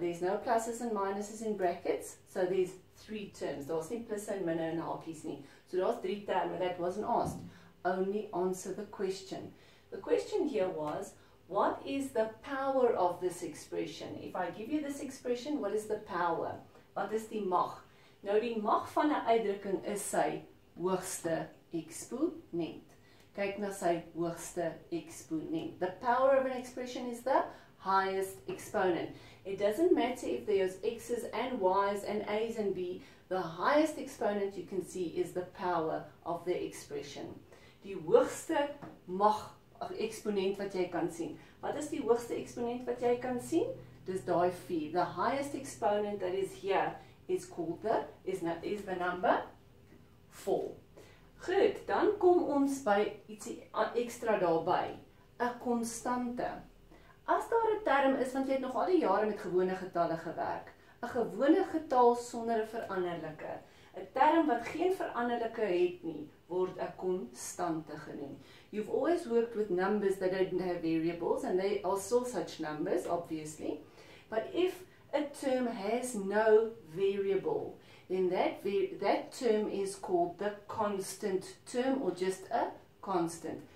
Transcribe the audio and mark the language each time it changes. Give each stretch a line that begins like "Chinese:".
English: There's no pluses and minuses in brackets, so there's 3 terms.
Afrikaans: Daar's nie plusse en minne en haakies nie. So daar's 3 terme.
English: That wasn't asked. Only answer the question. The question here was, what is the power of this expression? If I give you this expression, what is the power?
Afrikaans: Wat is die mag? Nou, die mag van 'n uitdrukking is sy hoogste eksponent. Kyk na sy hoogste eksponent.
English: The power of an expression is the highest exponent. It doesn't matter if there's x's and y's and a's and b's. The highest exponent you can see is the power of the expression.
Afrikaans: Die hoogste mag of eksponent wat jy kan sien. Wat is die hoogste eksponent wat jy kan sien? Dis daai 4.
English: The highest exponent that is here is called the is the number 4.
Afrikaans: Goed, dan kom ons by ietsie ekstra daarby, 'n konstante. As daar 'n term is, want jy het nog al die jare met gewone getalle gewerk, 'n gewone getal sonder 'n veranderlike, 'n term wat geen veranderlike het nie, word 'n konstante genoem.
English: You've always worked with numbers that don't have variables, and they are still such numbers, obviously. But if a term has no variable, then that term is called the constant term, or just a constant.